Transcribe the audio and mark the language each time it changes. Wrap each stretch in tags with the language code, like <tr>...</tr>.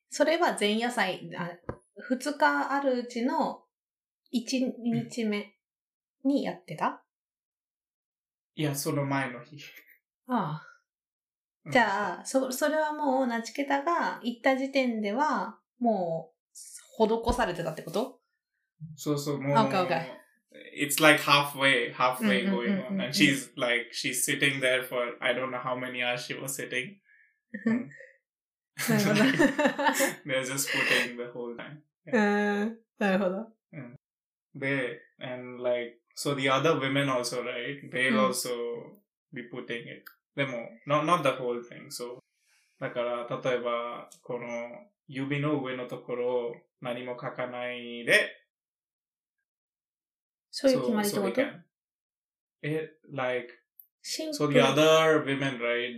<ja>それは前夜祭、二日あるうちの一日目にやってた? いや、その前の日。ああ。じゃあ、それはもう、ナチケタが行った時点では、もう、施されてたってこと? そうそう、もう、</ja> <en>It's like halfway going on. And she's like, she's sitting there for, I don't know how many hours she was sitting. They're just putting the whole time. And like, so the other women also, right? They'll also be putting it.</en> <ja>Demo,</ja> <en>not the whole thing. So,</en> <ja>だから例えばこの指の上のところ何も書かないで、そういう決まりってこと?</ja> <en>It like, so the other women, right?</en>